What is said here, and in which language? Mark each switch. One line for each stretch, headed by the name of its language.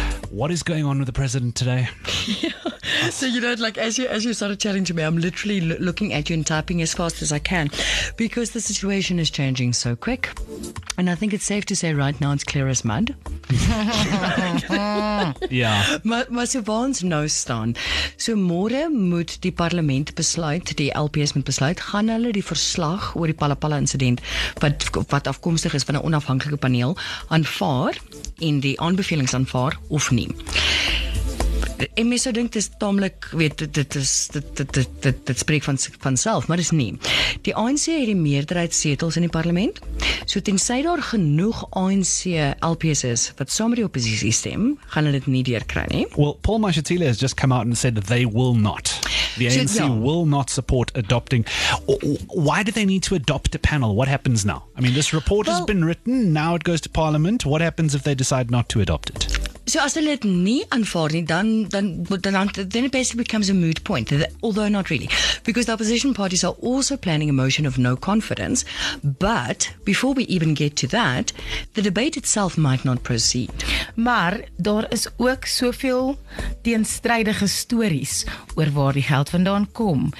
English: What is going on with the president today? So, you know, like as you started chatting to me, I'm literally looking at you and typing as fast as I can because the situation is changing so quick. And I think it's safe to say right now it's clear as mud. Yeah. My Suvans nose staan.
Afrikaans: So môre moet die parlement besluit, die LPS moet besluit, gaan hulle die verslag oor die Palapala incident wat afkomstig is van 'n onafhanklike paneel aanvaar en die aanbevelings aanvaar of nie. En mense sou dink dit is taamlik, weet dit spreek van self, maar dis nie. Die ANC het die meerderheid setels in die parlement. So tensy daar genoeg ANC LPS is wat saam met die oppositie stem, gaan hulle dit nie deurkry nie.
English: Well, Paul Mashatile has just come out and said that they will not. The ANC will not support adopting. Why do they need to adopt a panel? What happens now? I mean, this report has been written, now it goes to parliament. What happens if they decide not to adopt it?
Afrikaans: So as hulle dit nie aanvaar nie,
English: then it basically becomes a moot point, although not really. Because the opposition parties are also planning a motion of no confidence, but before we even get to that, the debate itself might not proceed.
Afrikaans: Maar daar is ook soveel teenstrydige stories oor waar die geld vandaan kom.